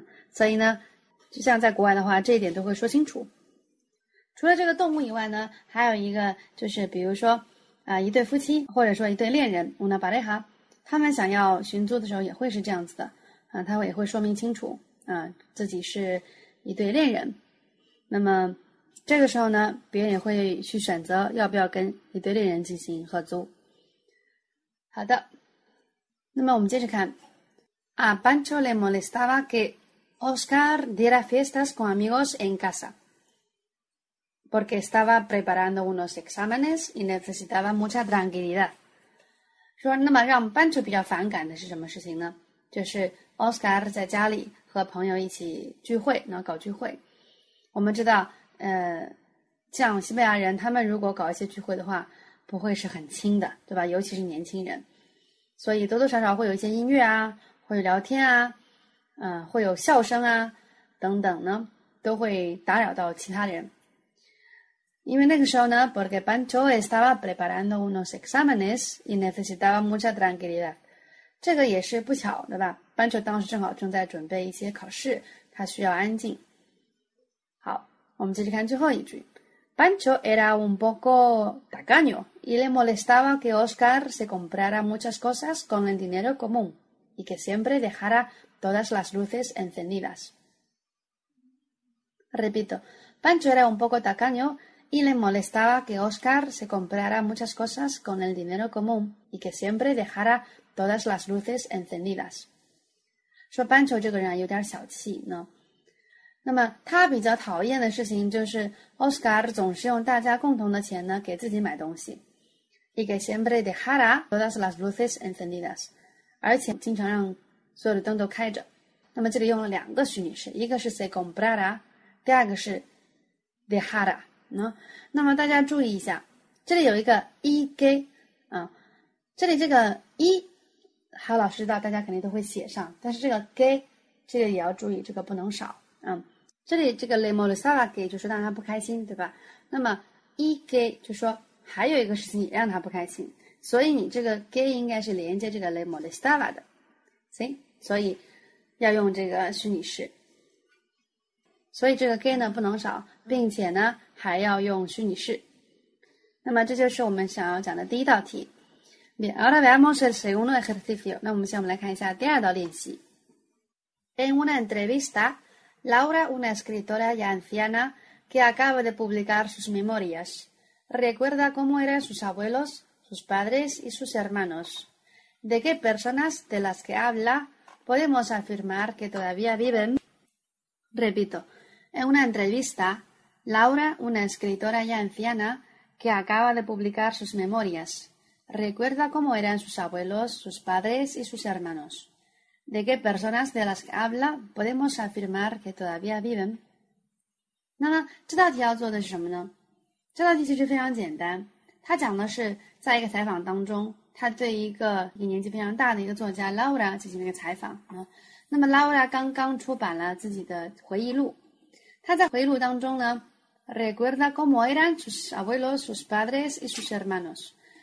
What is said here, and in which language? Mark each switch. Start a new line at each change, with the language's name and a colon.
Chinese: 所以呢，就像在国外的话，这一点都会说清楚。除了这个动物以外呢，还有一个就是比如说一对夫妻或者说一对恋人
Spanish: una pareja，
Chinese: 他们想要寻租的时候也会是这样子的他也会说明清楚自己是一对恋人。那么这个时候呢，别人也会去选择要不要跟一对恋人进行合租。好的，那么我们接着看。
Spanish: A Pancho le molestaba que Oscar diera fiestas con amigos en casa, porque estaba preparando unos exámenes y necesitaba mucha tranquilidad.
Chinese: 说那么让 Pancho 比较反感的是什么事情呢？就是 Oscar 在家里和朋友一起聚会，然后搞聚会。我们知道像西班牙人他们如果搞一些聚会的话不会是很轻的，对吧？尤其是年轻人。所以多多少少会有一些音乐啊，会有聊天啊，会有笑声啊等等呢，都会打扰到其他人。因为那个时候呢
Spanish: ，porque Pancho estaba preparando unos exámenes y necesitaba mucha tranquilidad。
Chinese: 这个也是不巧，对吧 ？Pancho 当时正好正在准备一些考试，他需要安静。好，我们继续看最后一句。
Spanish: Pancho era un poco tacaño y le molestaba que Oscar se comprara muchas cosas con el dinero común y que siempre dejara todas las luces encendidas. Repito, Pancho era un poco tacaño y le molestaba que Oscar se comprara muchas cosas con el dinero común y que siempre dejara todas las luces encendidas.
Chinese: 说 Pancho 这个人有点小气呢。那么他比较讨厌的事情就是 Oscar 总是用大家共同的钱呢给自己买东西。
Spanish: Y que siempre dejara todas las luces encendidas。
Chinese: 而且经常让所有的灯都开着。那么这里用了两个虚拟式，一个是 se comprara， 第二个是 dejara。那么大家注意一下，这里有一个 y que， 这里这个 y， 还有老师知道大家肯定都会写上，但是这个 que， 这个也要注意，这个不能少。这里这个 le molestaba que 就是让他不开心，对吧？那么 y que 就说还有一个事情也让他不开心，所以你这个 que 应该是连接这个 le molestaba 的，行？所以要用这个虚拟式，所以这个 que 呢不能少，并且呢还要用虚拟式。那么这就是我们想要讲的第一道题。
Spanish: Bien, ahora veamos el segundo ejercicio。
Chinese: 那我们先来看一下第二道练习。
Spanish: En una entrevista Laura, una escritora ya anciana que acaba de publicar sus memorias, recuerda cómo eran sus abuelos, sus padres y sus hermanos. ¿De qué personas de las que habla podemos afirmar que todavía viven? Repito, en una entrevista, Laura, una escritora ya anciana que acaba de publicar sus memorias, recuerda cómo eran sus abuelos, sus padres y sus hermanos. ¿De qué personas de las que habla podemos afirmar que todavía viven?
Chinese: 那么这道题要做的是什么呢？这道题其实非常简单，他讲的是在一个采访当中，他对一个年纪非常大的一个作家 Laura 进行了一个采访。那么 Laura 刚刚出版了自己的回忆录，他在回忆录当中呢，
Spanish: recuerda cómo eran sus abuelos, sus padres y sus hermanos.